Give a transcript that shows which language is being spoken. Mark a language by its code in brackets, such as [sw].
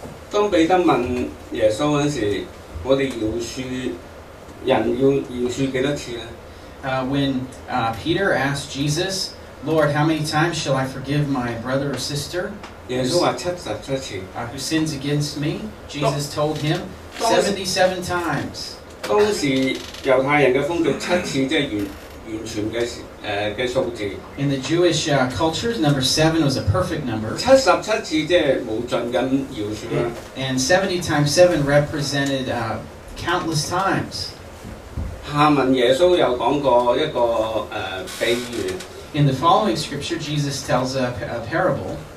[yue] 當彼得問耶穌嗰陣時，我哋饒恕人要饒恕幾多次咧？ [en] When Peter asked Jesus, Lord, how many times shall I forgive my brother or sister who sins against me? Jesus told him 77 times. [yue] 当时犹太人的风俗七次，即系完全嘅数字。 [en] In the Jewish culture, number 7 was a perfect number. [yue] 77次即系无尽咁饶恕啦。 [en] And 70 times 7 represented countless times. [yue] 下文耶稣又讲过一个比喻。 [en] In the following scripture, Jesus tells a parable.